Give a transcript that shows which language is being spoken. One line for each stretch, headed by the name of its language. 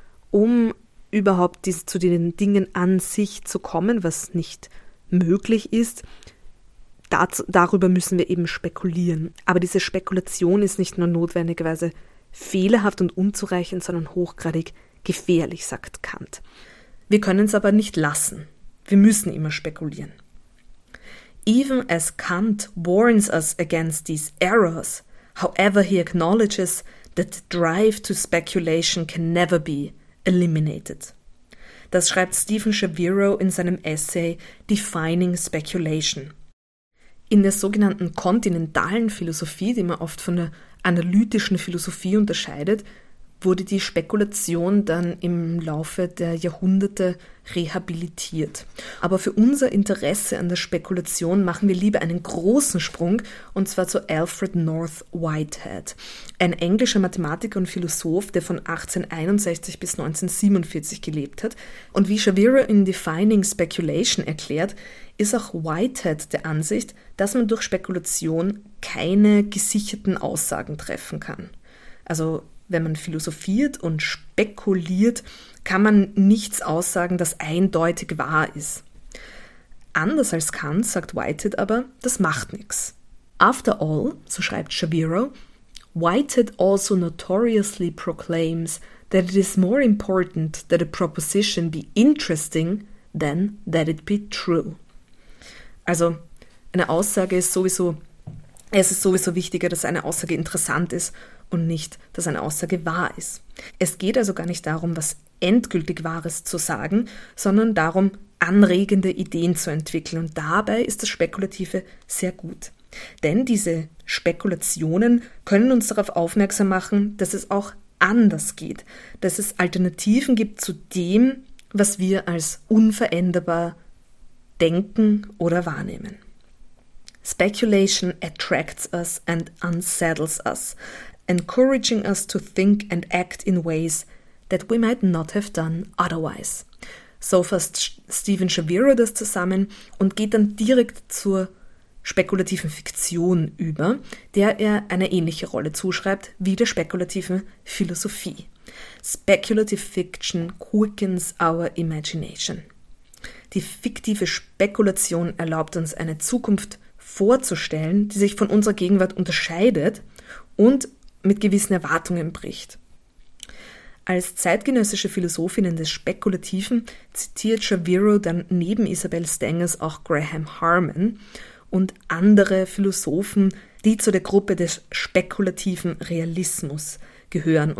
German: Um überhaupt zu den Dingen an sich zu kommen, was nicht möglich ist, darüber müssen wir eben spekulieren. Aber diese Spekulation ist nicht nur notwendigerweise fehlerhaft und unzureichend, sondern hochgradig gefährlich, sagt Kant. Wir können es aber nicht lassen. Wir müssen immer spekulieren.
English: Even as Kant warns us against these errors, however he acknowledges that the drive to speculation can never be eliminated.
German: Das schreibt Stephen Shaviro in seinem Essay Defining Speculation. In der sogenannten kontinentalen Philosophie, die man oft von der analytischen Philosophie unterscheidet, wurde die Spekulation dann im Laufe der Jahrhunderte rehabilitiert. Aber für unser Interesse an der Spekulation machen wir lieber einen großen Sprung, und zwar zu Alfred North Whitehead, ein englischer Mathematiker und Philosoph, der von 1861 bis 1947 gelebt hat. Und wie Shaviro in Defining Speculation erklärt, ist auch Whitehead der Ansicht, dass man durch Spekulation keine gesicherten Aussagen treffen kann. Also wenn man philosophiert und spekuliert, kann man nichts aussagen, das eindeutig wahr ist. Anders als Kant, sagt Whitehead aber, das macht nichts.
English: After all,
German: so schreibt Shaviro,
English: Whitehead also notoriously proclaims that it is more important that a proposition be interesting than that it be true.
German: Also, eine Aussage ist sowieso, es ist sowieso wichtiger, dass eine Aussage interessant ist, und nicht, dass eine Aussage wahr ist. Es geht also gar nicht darum, was endgültig Wahres zu sagen, sondern darum, anregende Ideen zu entwickeln. Und dabei ist das Spekulative sehr gut. Denn diese Spekulationen können uns darauf aufmerksam machen, dass es auch anders geht, dass es Alternativen gibt zu dem, was wir als unveränderbar denken oder wahrnehmen.
English: Speculation attracts us and unsettles us, encouraging us to think and act in ways that we might not have done otherwise.
German: So fasst Stephen Shaviro das zusammen und geht dann direkt zur spekulativen Fiktion über, der er eine ähnliche Rolle zuschreibt wie der spekulativen Philosophie.
English: Speculative fiction quickens our imagination.
German: Die fiktive Spekulation erlaubt uns, eine Zukunft vorzustellen, die sich von unserer Gegenwart unterscheidet und mit gewissen Erwartungen bricht. Als zeitgenössische Philosophinnen des Spekulativen zitiert Shaviro dann neben Isabel Stengers auch Graham Harman und andere Philosophen, die zu der Gruppe des spekulativen Realismus gehören.